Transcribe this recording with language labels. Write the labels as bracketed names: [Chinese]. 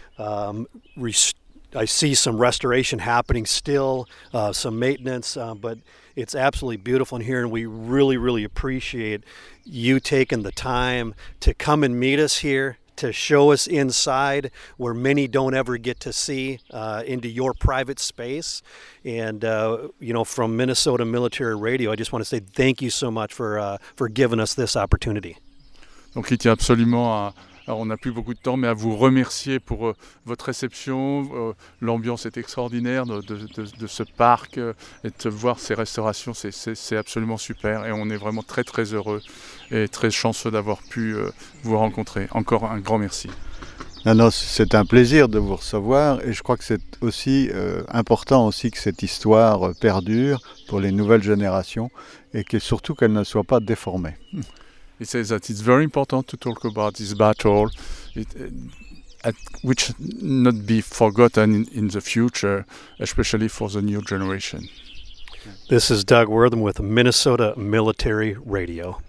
[English] I see some restoration happening still, some maintenance, but it's absolutely beautiful in here, and we really, really appreciate you taking the time to come and meet us here, to show us inside where many don't ever get to see into your private space. And, from Minnesota Military Radio, I just want to say thank you so much for giving us this opportunity. [French] Donc, il tient absolument on n'a plus beaucoup de temps, mais à vous remercier pour votre réception. L'ambiance est extraordinaire de ce parc et de voir ces restaurations, c'est absolument super. Et on est vraiment très, très heureux et très chanceux d'avoir pu vous rencontrer. Encore un grand merci. Non, c'est un plaisir de vous recevoir et je crois que c'est aussi important aussi que cette histoire perdure pour les nouvelles générations et que surtout qu'elle ne soit pas déformée. [English] He says that it's very important to talk about this battle. which not be forgotten in the future, especially for the new generation. This is Doug Wortham with Minnesota Military Radio.